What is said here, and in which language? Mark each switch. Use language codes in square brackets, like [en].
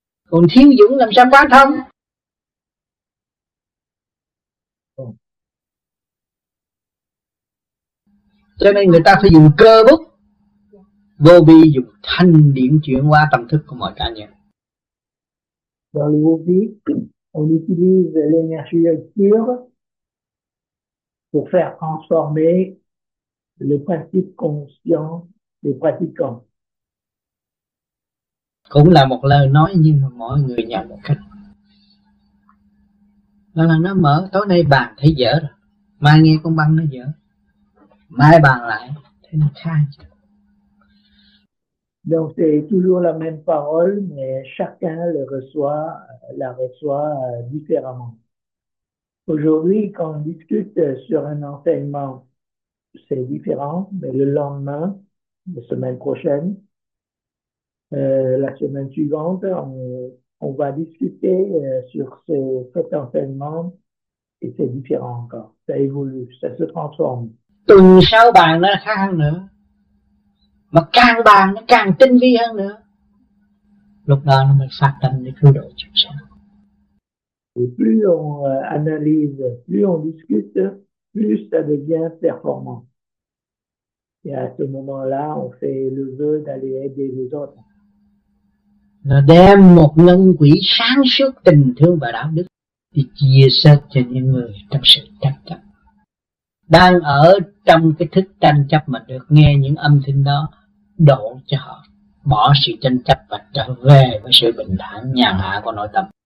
[vi] Còn thiếu dũng làm sao quan thông? Cho nên người ta phải dùng cơ bút, vô vi dùng thanh điển chuyển qua tâm thức của mọi cá nhân. [fr] Dans le vô vi, on utilise l'énergie active pour faire transformer les pratiques conscientes, les pratiquants. [vi] Cũng là một lời nói nhưng mà mọi người nhận một cách. Nó là nó mở, tối nay bàn thấy dở rồi, mai nghe con băng nó dở, mai bàn lại thấy nó khai. [fr] Donc c'est toujours la même parole, mais chacun le reçoit, la reçoit différemment. Aujourd'hui, quand on discute sur un enseignement, c'est différent, mais le lendemain, la semaine prochaine, la semaine suivante, on va discuter sur cet enseignement et c'est différent encore. Ça évolue, ça se transforme. [vi] Tuần sau bàn nó khác hơn nữa, mà càng bàn nó càng tinh vi hơn nữa. Lúc đó nó mới phát tâm để cứu độ chúng sanh. [fr] Et plus on analyse, plus on discute, plus ça devient performant. Et à ce moment-là, on fait le vœu d'aller aider les autres. [vi] Nó đem một ngân quỹ sáng suốt tình thương và đạo đức thì chia sẻ cho những người trong sự tranh chấp. Đang ở trong cái thức tranh chấp mà được nghe những âm thanh đó độ cho họ bỏ sự tranh chấp và trở về với sự bình thản nhàn hạ của nội tâm.